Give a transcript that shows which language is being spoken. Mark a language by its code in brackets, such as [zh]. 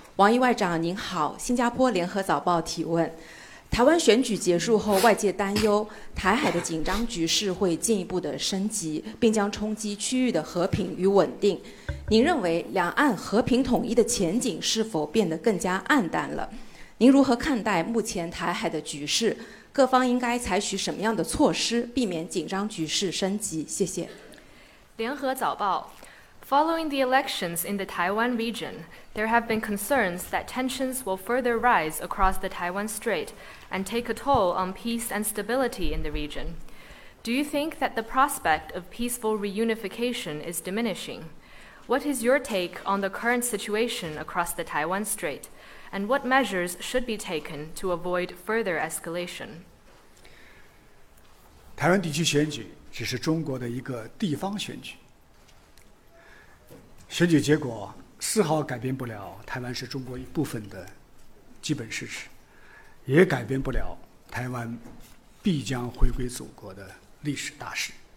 [zh] 王毅外长您好，新加坡联合早报提问。台湾选举结束后，外界担忧台海的紧张局势会进一步的升级，并将冲击区域的和平与稳定。您认为两岸和平统一的前景是否变得更加暗淡了？您如何看待目前台海的局势？各方应该采取什么样的措施避免紧张局势升级？谢谢。联合早报。 [en] Following the elections in the Taiwan region, there have been concerns that tensions will further rise across the Taiwan Strait and take a toll on peace and stability in the region. Do you think that the prospect of peaceful reunification is diminishing? What is your take on the current situation across the Taiwan Strait, and what measures should be taken to avoid further escalation? [zh] 台湾地区选举只是中国的一个地方选举。选举结果丝毫改变不了台湾是中国一部分的基本事实，也改变不了台湾必将回归祖国的历史大势。